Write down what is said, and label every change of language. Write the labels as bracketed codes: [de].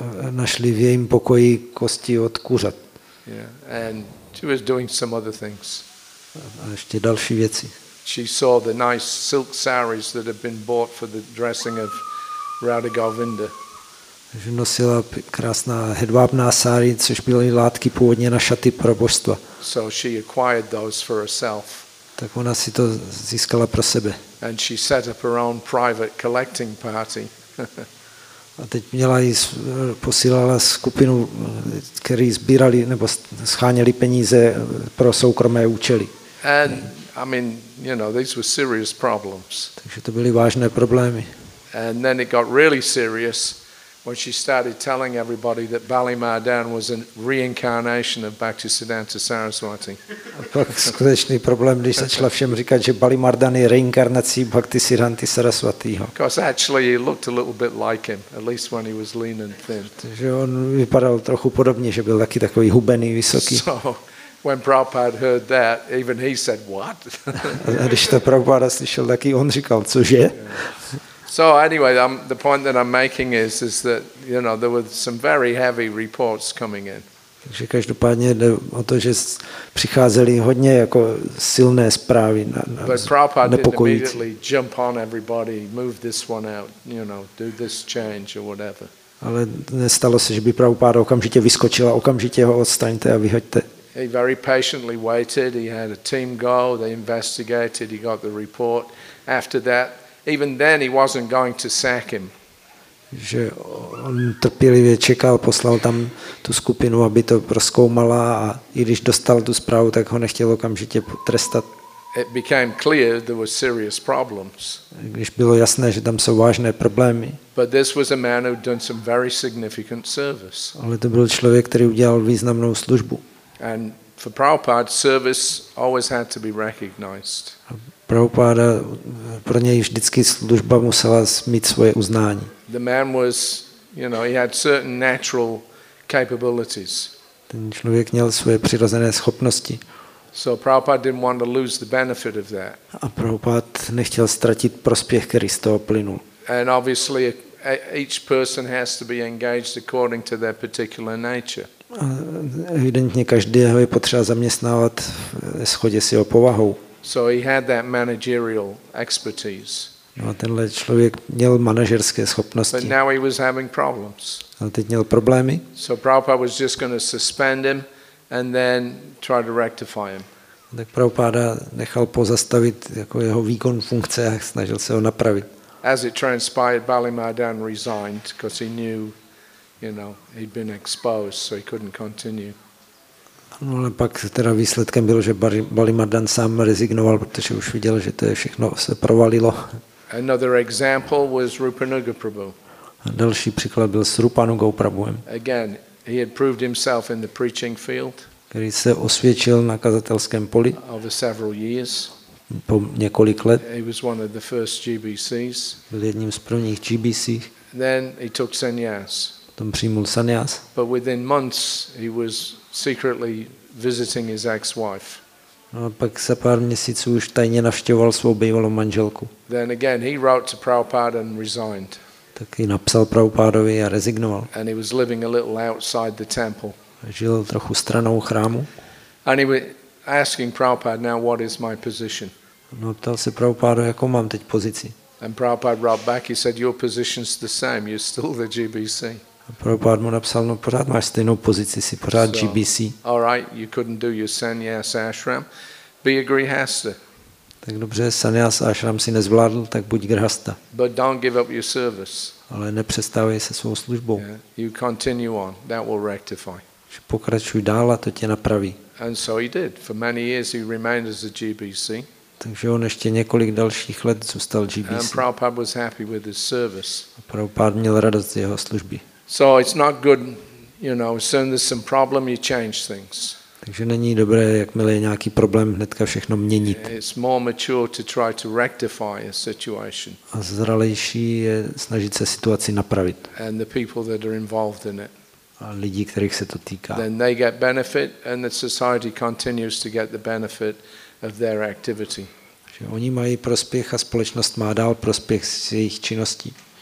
[cs] Našli v jejím pokoji kosti od kuřat. [en] Yeah, and she was doing some other things. [cs] A ještě další věci. [en] She saw the nice silk saris that had been bought for the dressing of Radha Govinda. [cs] Že nosila krásná hedvábná sáry, což byly látky původně na šaty pro božstva. [en] So she acquired those for herself. [cs] Tak ona si to získala pro sebe. [en] And she set up her own private collecting party. [cs] A teď měla jí, posílala skupinu, který sbírali nebo scháněli peníze pro soukromé účely. [en] And I mean, you know, these were serious problems. [cs] Takže to byly vážné problémy. [en] And then it got really serious. When she started telling everybody that Bali Mardan was a reincarnation of Bhaktisiddhanta Saraswati. [cs] Pak skutečný problém, když začala všem říkat, že Bali Mardan je reinkarnací Bhaktisiddhanty Sarasvatýho. [en] Because actually he looked a little bit like him, at least when he was lean and thin. [cs] Takže on vypadal trochu podobně, že byl taky takový hubený, vysoký. [en] So when Prabhupada heard that, even he said, what? [cs] A když to Prabhupada slyšel, taky on říkal, cože? [en] So anyway, the point that I'm making is that, you know, there were some very heavy reports coming in. [cs] Takže každopádně jde o to, že přicházely hodně jako silné zprávy na nepokojící. [en] But Prabhupada didn't immediately jump on everybody, move this one out, you know, do this change or whatever. [cs] Ale nestalo se, že by Prabhupada okamžitě vyskočila, okamžitě ho odstaňte a vyhoďte. [en] He very patiently waited, he had a team go, they investigated, he got the report. After that, even then he wasn't going to sack him. [cs] Že on trpělivě čekal, poslal tam tu skupinu, aby to prozkoumala, a i když dostal tu zprávu, tak ho nechtěl okamžitě trestat. [en] It became clear there were serious problems. [cs] Když bylo jasné, že tam jsou vážné problémy. [en] But this was a man who'd done some very significant service. [cs] Ale to byl člověk, který udělal významnou službu. [en] And for Prabhupada, service always had to be recognized. [cs] Prabhupada, pro něj vždycky služba musela mít svoje uznání. [en] The man was, you know, he had certain natural capabilities. [cs] Ten člověk měl svoje přirozené schopnosti. [en] So Prabhupada didn't want to lose the benefit of that. [cs] A Prabhupada nechtěl ztratit prospěch, který z toho plynul. [en] And obviously each person has to be engaged according to their particular nature. [cs] A evidentně každého je potřeba zaměstnávat ve shodě s jeho povahou. [en] So he had that managerial expertise. [cs] No, tenhle člověk měl manažerské schopnosti. [en] But now he was having problems. [cs] Ale teď měl problémy. [en] So Prabhupada was just going to suspend him and then try to rectify him. [cs] Tak Prabhupada nechal pozastavit jako jeho výkon funkce a snažil se ho napravit. [en] As it transpired, Bali Mardan resigned because he knew he'd been exposed, so he couldn't continue. [cs] No, ale pak teda výsledkem bylo, že Balimardhan sám rezignoval, protože už viděl, že to je všechno se provalilo. [en] Another example was Rupanuga Prabhu. [cs] A další příklad byl s Rupanugou Prabhuem. [en] Again, he had proved himself in the preaching field. [cs] Který se osvědčil na kazatelském poli. [en] Over several years. [cs] Po několik let. [en] He was one of the first GBCs. [cs] Byl jedním z prvních GBC. [en] Then he took sannyas. [cs] Potom přijmul sannyas. [en] But within months he was secretly visiting his ex-wife. [cs] A pak za pár měsíců už tajně navštěvoval svou bývalou manželku. [en] Then again he wrote to Prabhupada and resigned. [cs] Taky napsal Prabhupádovi a rezignoval. [en] And he was living a little outside the temple. [cs] A žil trochu stranou chrámu. [en] And he was asking Prabhupada, now what is my position? [cs] No, ptal se Prabhupádu, jakou mám teď pozici. [en] And Prabhupada wrote back, he said, your position's the same, you're still the GBC. [cs] Prabhupád mu napsal, no pořád máš stejnou pozici, jsi pořád so, GBC. [en] All right, you couldn't do your sannyas ashram, be a grihasta. [cs] Tak dobře, sannyas ashram si nezvládl, tak buď grihasta. [en] But don't give up your service. [cs] Ale nepřestávej se svou službou. [en] Yeah, you continue on, that will rectify. [cs] Pokračuj dál a to tě napraví. [en] And so he did. For many years he remained as a GBC. [cs] Takže on ještě několik dalších let zůstal GBC. [en] And Prabhupada was happy with his service. [cs] Prabhupada měl radost z jeho služby. [en] So it's not good, you know, as soon as there's some problem, you change things. [cs] Takže není dobré, jakmile je nějaký problém, hnedka všechno měnit. [en] It's more mature to try to rectify a situation. [cs] A zralejší je snažit se situaci napravit. [en] And the people that are involved in it. [cs] A lidi, kterých se to týká. [en] Then they get benefit and the society continues to get the benefit of their activity. [cs] Že oni mají prospěch a společnost má dál prospěch z jejich činností.